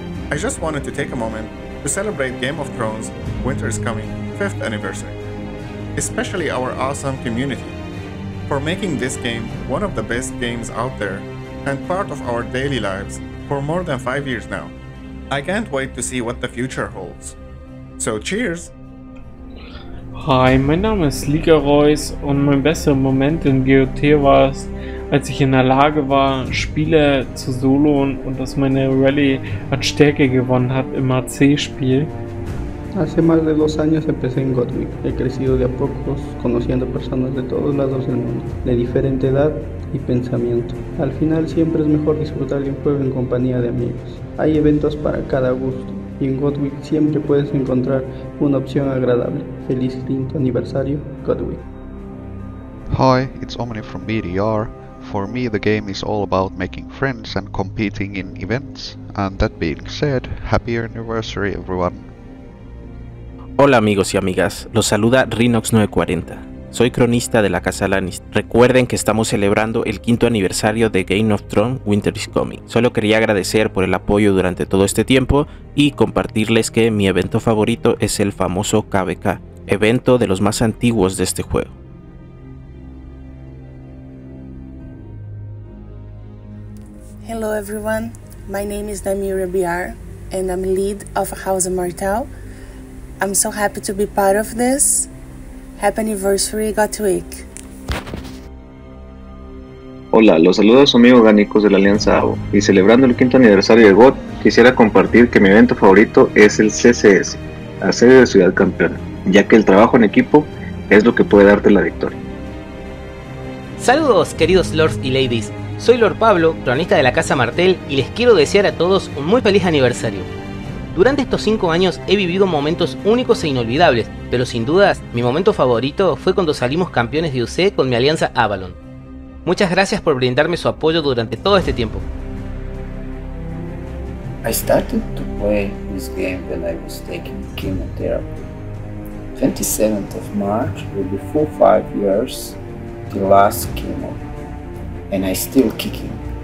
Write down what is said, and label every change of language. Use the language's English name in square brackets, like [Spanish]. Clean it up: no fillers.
[English] I just wanted to take a moment to celebrate Game of Thrones Winter is Coming 5th anniversary, especially our awesome community for making this game one of the best games out there and part of our daily lives for more than 5 years now. I can't wait to see what the future holds. So cheers! [German] Hi, mein Name ist Liga Reus und mein bester Moment in GOT war es, als ich in der Lage war, Spiele zu soloen und dass meine Rallye an Stärke gewonnen hat im AC-Spiel. [Spanish] Hace más de 2 años empecé en Gothic. He crecido de a pocos, conociendo personas de todos lados del mundo, de diferente edad y pensamiento. Al final siempre es mejor disfrutar de un juego en compañía de amigos. Hay eventos para cada gusto. Y en Godwick siempre puedes encontrar una opción agradable. Feliz quinto aniversario, Godwick. [English] Hi, it's Omni from BDR. For me, the game is all about making friends and competing in events. And that being said, happy anniversary, everyone. [Spanish] Hola, amigos y amigas. Los saluda Rinox940. Soy cronista de la Casa Lannister. Recuerden que estamos celebrando el quinto aniversario de Game of Thrones Winter is Coming. Solo quería agradecer por el apoyo durante todo este tiempo y compartirles que mi evento favorito es el famoso KVK, evento de los más antiguos de este juego. [English] Hello everyone, my name is Damira Biar and I'm lead of House of Martell. I'm so happy to be part of this. Happy anniversary, Gotwick. [Spanish] Hola, los saluda su amigo Gánicos de la Alianza AVO. Y celebrando el quinto aniversario de GOT, quisiera compartir que mi evento favorito es el CCS, la sede de Ciudad Campeona, ya que el trabajo en equipo es lo que puede darte la victoria. Saludos, queridos Lords y Ladies. Soy Lord Pablo, cronista de la Casa Martell, y les quiero desear a todos un muy feliz aniversario. Durante estos 5 años he vivido momentos únicos e inolvidables, pero sin dudas, mi momento favorito fue cuando salimos campeones de UC con mi alianza Avalon. Muchas gracias por brindarme su apoyo durante todo este tiempo. [English] I started to play this game when I was taking chemotherapy. 27th of March will be full 5 years the last chemo, and I still kicking.